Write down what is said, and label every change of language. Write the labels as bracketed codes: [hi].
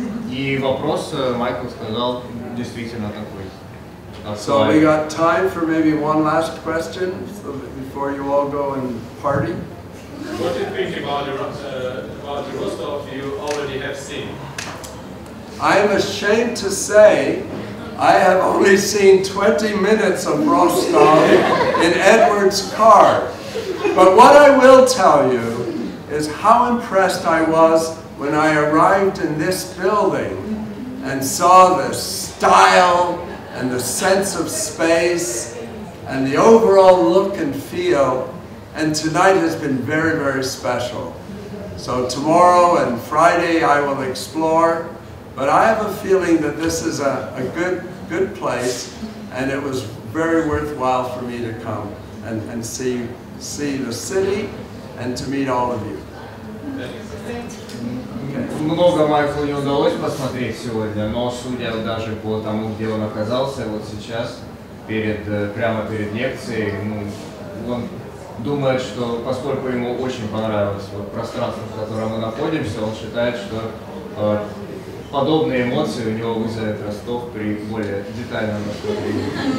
[ru] И вопрос Майкл сказал действительно такой. [en] So we got time for maybe one last question before you all go and party. What do you think about Ростов you already have seen? I am ashamed to say I have only seen 20 minutes of Ростов in Edward's car. But what I will tell you is how impressed I was when I arrived in this building and saw the style and the sense of space and the overall look and feel. And tonight has been very, very special. So tomorrow and Friday I will explore, but I have a feeling that this is a good place, and it was very worthwhile for me to come and see the city and to meet all of you. [ru] Много Майклу не удалось посмотреть сегодня, но судя даже по тому, где он оказался, вот сейчас, прямо перед лекцией, ну, он думает, что поскольку ему очень понравилось вот пространство, в котором мы находимся, он считает, что подобные эмоции у него вызовет Ростов при более детальном рассмотрении.